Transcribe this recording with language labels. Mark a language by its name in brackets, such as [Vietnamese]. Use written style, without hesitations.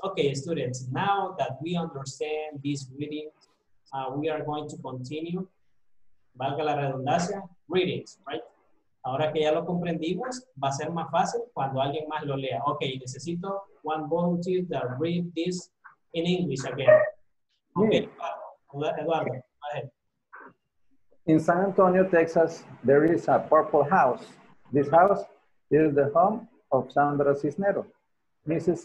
[English] Okay, students, now that we understand this reading, we are going to continue. [Spanish] Valga la redundancia, readings, right? Ahora que ya lo comprendimos, va a ser más fácil cuando alguien más lo lea. [English] Okay, necesito one volunteer that read this in English again. Okay, Eduardo, go ahead. In San Antonio, Texas, there is a purple house. This house is the home of Sandra Cisnero. Mrs.